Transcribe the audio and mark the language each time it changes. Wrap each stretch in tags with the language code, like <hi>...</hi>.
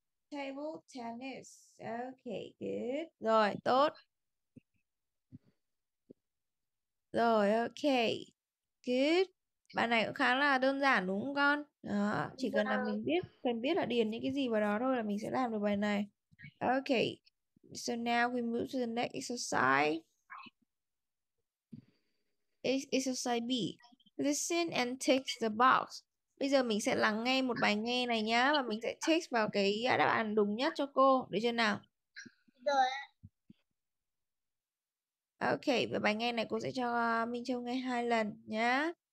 <en>Table tennis. Ok, good.</en> <vi>Rồi, tốt.</vi> <en>Rồi, ok. Good.</en> <vi>Bài này cũng khá là đơn giản đúng không con? Đó, chỉ cần là mình biết, cần biết là điền những cái gì vào đó thôi là mình sẽ làm được bài này.</vi> <en>Ok, so now we move to the next exercise. Exercise B. Listen and text the box.</en> <vi>Bây giờ mình sẽ lắng nghe một bài nghe này nhá. Và mình sẽ text vào cái đáp án đúng nhất cho cô. Được chưa nào? Được. Ok, và bài nghe này cô sẽ cho Minh Châu nghe hai lần nhá.</vi>